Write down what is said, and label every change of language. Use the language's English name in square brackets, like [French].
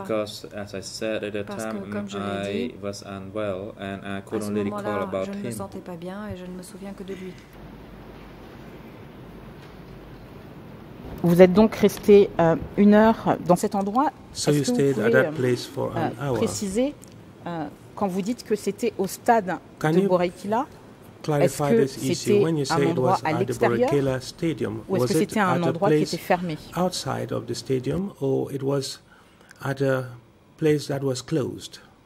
[English] Because, as I said at the time, I was unwell and I could only recall about him. [French] Je ne me sentais pas bien et je ne me souviens que de lui. Vous êtes donc resté une heure dans cet endroit. [English] So you stayed at that place for an hour. [French] Préciser quand vous dites que c'était au stade de Boraïkila. [English] Clarify this issue. When you say it was at the Boraïkila Stadium, was it at a place outside of the stadium, or it was at a place that was closed?